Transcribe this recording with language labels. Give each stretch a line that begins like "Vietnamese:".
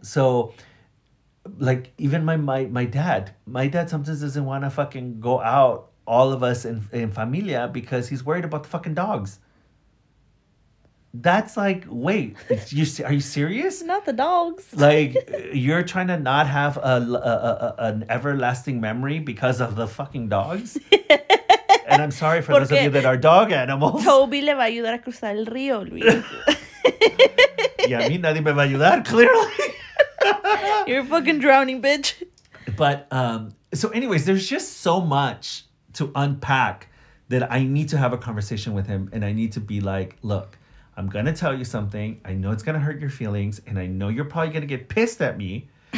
English: So like even my dad sometimes doesn't want to fucking go out, all of us in familia, because he's worried about the fucking dogs. That's like, wait, are you serious? Not the dogs. Like, you're trying to not have an everlasting memory because of the fucking dogs? And I'm sorry for those of you that are dog animals.
Spanish: Toby le va a ayudar a cruzar el río, Luis. Y a mí nadie me va a ayudar,
English: clearly. You're fucking drowning, bitch. But, so anyways, there's just so much to unpack that I need to have a conversation with him. And I need to be like, look, I'm going to tell you something. I know it's going to hurt your feelings. And I know you're probably going to get pissed at me.